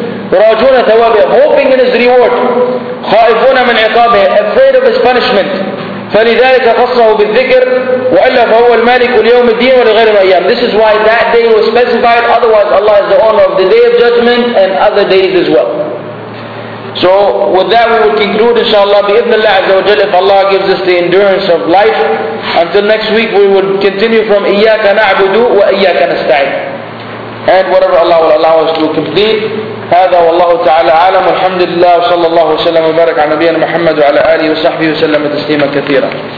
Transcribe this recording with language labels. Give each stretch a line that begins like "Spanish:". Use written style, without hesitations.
Arabic: راجون ثوابه,
English: hoping in His reward.
Arabic: خائفون من عقابه,
English: afraid of His punishment.
Arabic: فلذلك خصه بالذكر وإلا فهو المالك اليوم الدين ولغير الأيام.
English: This is why that day was specified, otherwise Allah is the owner of the day of judgment and other days as well. So with that we will conclude inshallah
Arabic: بإذن الله عز وجل.
English: If Allah gives us the endurance of life, until next week we will continue from
Arabic: إياك نعبد وإياك نستعين,
English: and whatever Allah will allow us to complete.
Arabic: هذا والله تعالى عالم. الحمد لله, وصلى الله وسلم وبارك على نبينا محمد وعلى آله وصحبه وسلم تسليما كثيرا.